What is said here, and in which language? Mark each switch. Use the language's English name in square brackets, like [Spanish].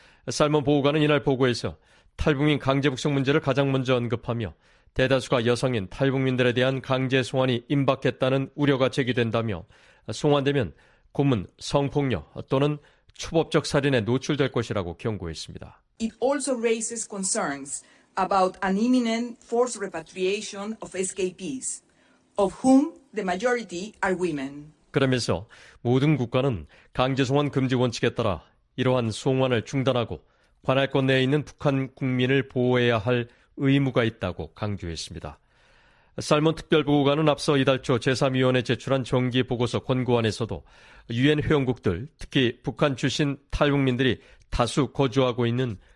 [Korean] 살몬 보고관은 이날 보고에서 탈북민 강제 북송 문제를 가장 먼저 언급하며 대다수가 여성인 탈북민들에 대한 강제 송환이 임박했다는 우려가 제기된다며 송환되면 고문, 성폭력 또는 추법적 살인에 노출될 것이라고 경고했습니다. [English] It also raises concerns about an imminent forced repatriation of escapees, of whom the majority are women. [Korean] 그러면서 모든 국가는 강제송환 금지 원칙에 따라 이러한 송환을 중단하고 관할권 내에 있는 북한 국민을 보호해야 할 의무가 있다고 강조했습니다. 살몬 특별보고관은 앞서 이달 초 제3위원회에 제출한 정기보고서 권고안에서도 유엔 회원국들, 특히 북한 출신 탈북민들이 다수 거주하고 있는